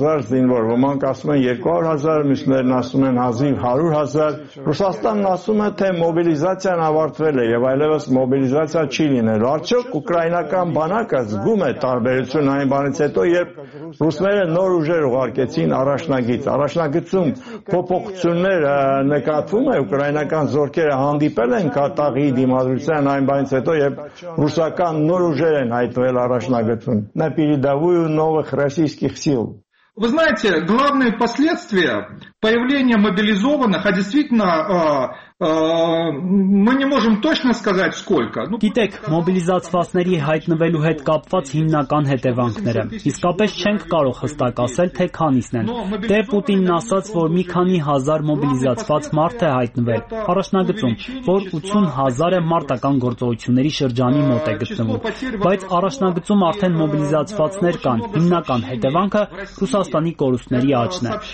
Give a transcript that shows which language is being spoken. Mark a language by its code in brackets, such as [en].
[hy] հազար զինվոր, ոմանք ասում են 200 հազար, մյուսներն ասում են հազիվ 100 հազար, Ռուսաստանն ասում է, թե մոբիլիզացիան ավարտվել է և այլևս մոբիլիզացիա չի լինել, արդյոք ուկրաինական բանակը զգում է տարբերություն այն բանից հետո, երբ ռուսները նոր ուժեր ուղարկեցին առաջնագից, առաջնագծում փոփոխություններ նկատվում է, ուկրաինական զորքերը հանդիպել են կատաղի դիմադրության այն բանից հետո, երբ ռուսական նոր ուժեր են հայտնվել առաջնագծում, [ru] на передовую новых российских сил. Вы знаете, главные последствия появления мобилизованных, а действительно мы не можем точно сказать сколько. [hy] Գիտեք, մոբիլիզացվածների հայտնվելու հետ կապված հիմնական հետևանքները։ Իսկապես չենք կարող հստակ ասել, թե քանիսն են։ Դե Պուտինն ասաց, որ մի քանի հազար մոբիլիզացված մարդ է հայտնվել։ Առաջնագծում, որ 80,000 է մարտական գործողությունների շրջանի մոտ է գտնվում։ Բայց առաջնագծում արդեն մոբիլիզացվածներ կան։ Հիմնական հետևանքը Ռուսաստանի կորուստների աճն է։